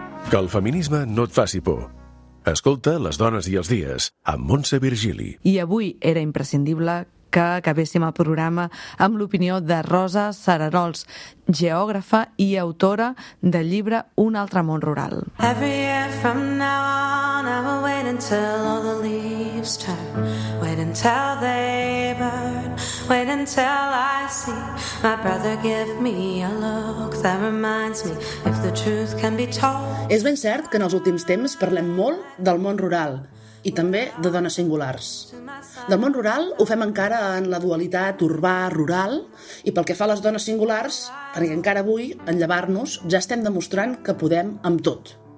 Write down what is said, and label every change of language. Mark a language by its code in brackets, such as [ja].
[ca] Que el feminisme no et faci por. Escolta Les dones i els dies amb Montse Virgili. I avui era imprescindible que acabéssim el programa amb l'opinió de Rosa Cerarols, geògrafa i autora del llibre Un altre món rural. [en] Every year from now on I will wait until all the leaves turn, wait until they burn, wait until I see my brother give me a look that reminds me if the truth can be told. [ca] És ben cert que en els últims temps parlem molt del món rural i també de dones singulars. Del món rural ho fem encara en la dualitat urbà-rural i pel que fa a les dones singulars, perquè encara avui, en llevar-nos, ja estem demostrant que podem amb tot.